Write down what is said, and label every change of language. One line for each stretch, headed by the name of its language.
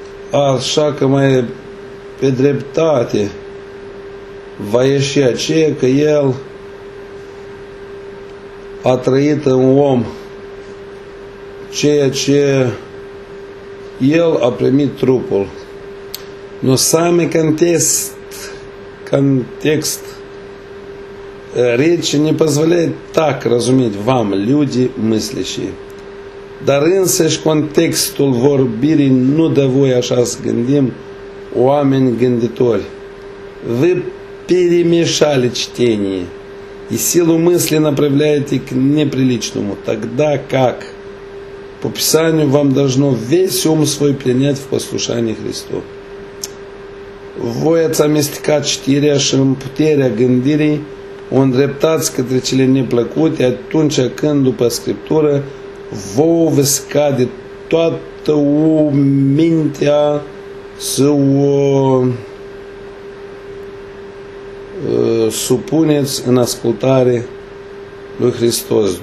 Romanian: Așa că mai pe dreptate va ieși aceea că El a trăit în om ceea ce El a primit trupul.
Russian: Но сами контекст речи не позволяет так разуметь вам, люди мыслящие.
Romanian: Dar însăși contextul vorbirii nu dă voie așa să gândim oameni gânditori.
Russian: Вы перемешали чтение, и силу мысли направляете к неприличному. Тогда как? По Писанию вам должно весь ум свой принять в послушании Христу.
Romanian: Voie ți-a amestecat știrea și în puterea gândirii, o îndreptați către cele neplăcute, atunci când după Scriptură vouă vă scade toată mintea să o supuneți în ascultare lui Hristos.